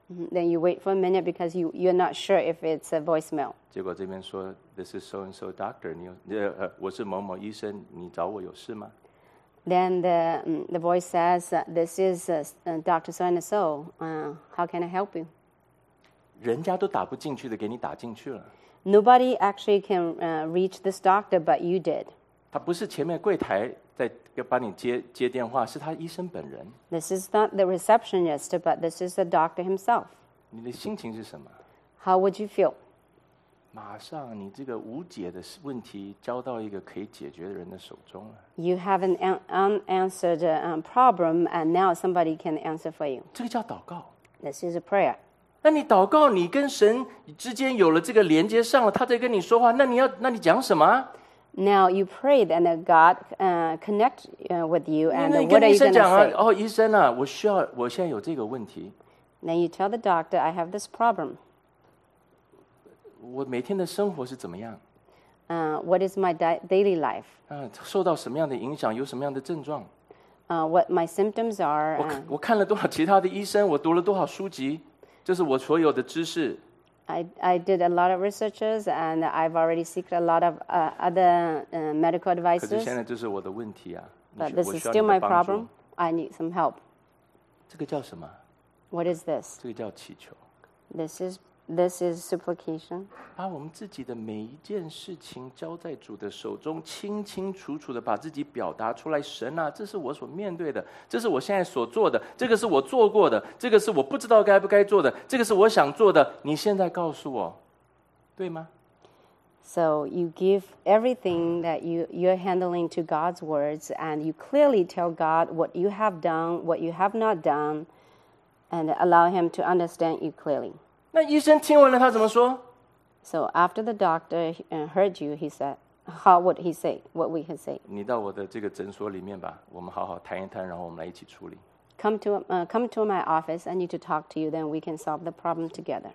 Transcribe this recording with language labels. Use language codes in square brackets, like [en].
[en] Then you wait for a minute because you're not sure if it's a voicemail. [zh] 结果这边说 [en] this is so and so doctor, [zh] 我是某某医生，你找我有事吗？ [en] Then the voice says this is Dr. So and So, how can I help you? [zh] 人家都打不进去的给你打进去了。 [en] Nobody actually can reach this doctor, but you did. [zh] 他不是前面柜台在帮你 接电话，是他医生本人。 [en] This is not the receptionist, but this is the doctor himself. [zh] 你的心情是什么？ [en] How would you feel? [zh] 马上你这个无解的问题交到一个可以解决的人的手中了。 [en] You have an unanswered problem and now somebody can answer for you. [zh] 这个叫祷告。 [en] This is a prayer. [zh] 那你祷告你跟神之间有了这个连接上了，他在跟你说话，那你讲什么？ [en] Now you prayed and God connect with you and what are you going to say? [zh] 你跟医生讲啊，哦，医生啊，我需要，我现在有这个问题。 [en] Now you tell the doctor, I have this problem. [zh] 我每天的生活是怎么样？ [en] What is my daily life? [zh] 受到什么样的影响？有什么样的症状？ [en] What my symptoms are? [zh] 我看了多少其他的医生？我读了多少书籍？这是我所有的知识。 [en] I did a lot of researches and I've already seeked a lot of other medical advices. [zh] 可是现在这是我的问题啊！ [en] But this is still my problem. I need some help. [zh] 这个叫什么？ [en] What is this? [zh] 这个叫祈求。 [en] This is supplication. [zh] 把我们自己的每一件事情交在主的手中，清清楚楚的把自己表达出来。神啊，这是我所面对的，这是我现在所做的，这个是我做过的，这个是我不知道该不该做的，这个是我想做的。你现在告诉我，对吗？ [en] So you give everything that you're handling to God's words, and you clearly tell God what you have done, what you have not done, and allow Him to understand you clearly. [zh] 那医生听完了他怎么说？ [en] So after the doctor heard you, he said, how would he say? What would he say? [zh] 你到我的这个诊所里面吧，我们好好谈一谈，然后我们来一起处理。 [en] Come to my office, I need to talk to you, then we can solve the problem together.